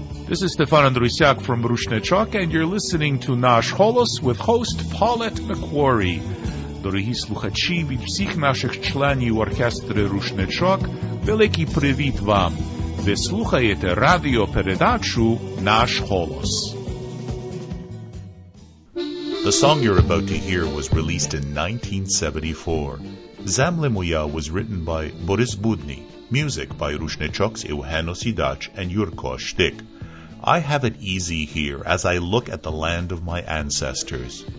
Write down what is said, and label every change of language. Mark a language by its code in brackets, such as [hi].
[en] is Stefan Andrusiak from Rushnechok, and you're listening to Nash Holos with host Paulette McQuarrie. [uk] Дорогі слухачі, від всіх наших членів оркестри Рушничок, великий привіт вам! Ви слухаєте радіопередачу «Наш голос». [en] The song you're about to hear was released in 1974. «Земля моя» was written by Борис Будні, music by Рушничок's Євгено Сідач and Юрко Штик. I have it easy here as I look at the land of my ancestors.